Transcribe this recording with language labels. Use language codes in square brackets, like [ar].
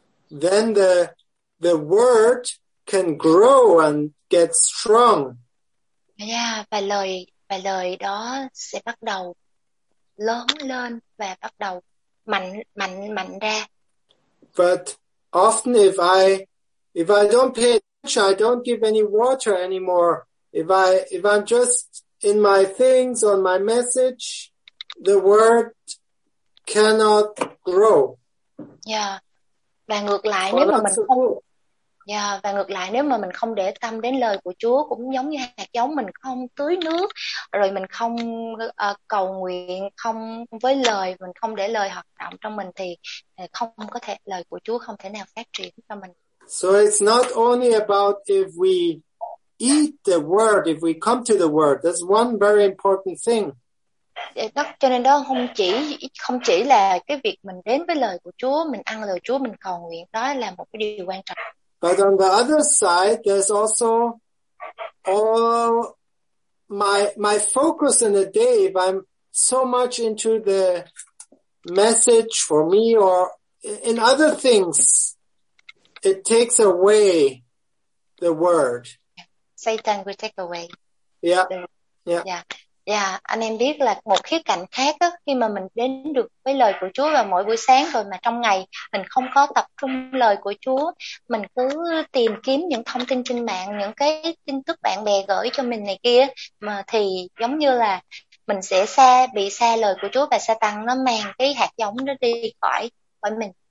[en] Then the word can grow and get strong. [vi] Yeah, và lời đó sẽ bắt đầu lớn lên và bắt đầu mạnh ra. [en] But often if I don't pay attention, I don't give any water anymore. If I, if I'm just in my things or my message, the word cannot grow. Yeah. [vi] Và ngược lại, nếu mà mình không, yeah, và ngược lại nếu mà mình không để tâm đến lời của Chúa, cũng giống như hạt giống mình không tưới nước, rồi mình không cầu nguyện, không với lời, mình không để lời hoạt động trong mình, thì không có thể, lời của Chúa không thể nào phát triển cho mình. [en] So it's not only about if we eat the word, if we come to the word, that's one very important thing. [vi] Đó, cho nên đó không chỉ là cái việc mình đến với lời của Chúa, mình ăn lời Chúa, mình cầu nguyện, đó là một cái điều quan trọng. [en] But on the other side, there's also all my focus in the day. If I'm so much into the message for me or in other things, it takes away the word. Satan will take away. Yeah. Yeah. Yeah. [vi] Dạ, anh em biết là một khía cạnh khác á, khi mà mình đến được với lời của Chúa vào mỗi buổi sáng rồi mà trong ngày mình không có tập trung lời của Chúa, mình cứ tìm kiếm những thông tin trên mạng, những cái tin tức bạn bè gửi cho mình này kia, mà thì giống như là mình sẽ xa, bị xa lời của Chúa và Satan nó mang cái hạt giống nó đi khỏi mình.